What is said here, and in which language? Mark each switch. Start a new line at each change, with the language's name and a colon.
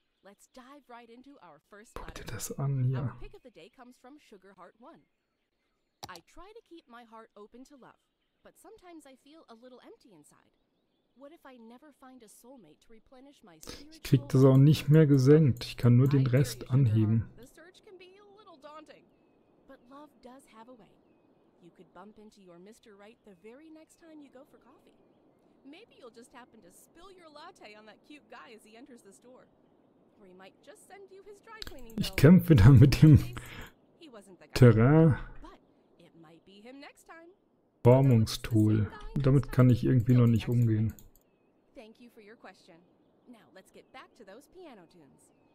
English: Let's dive right into our first letter. Our pick of the day comes from Sugar Heart 1. I try to keep my heart open to love, but sometimes I feel a little empty inside. What if I never find a soulmate to replenish my spiritual...
German: Ich krieg das auch nicht mehr gesenkt. Ich kann nur den Rest anheben.
English: The search can be a little daunting, but love does have a way. You could bump into your Mr. Right the very next time you go for coffee. Maybe you'll just happen to spill your latte on that cute guy as he enters the store. Or he might just send you his dry cleaning bill.
German: Ich kämpfe wieder mit dem Terrain.
English: But it might be him next time.
German: Formungstool. Damit kann ich irgendwie noch nicht umgehen.
English: Thank you for your question. Now let's get back to those piano tunes.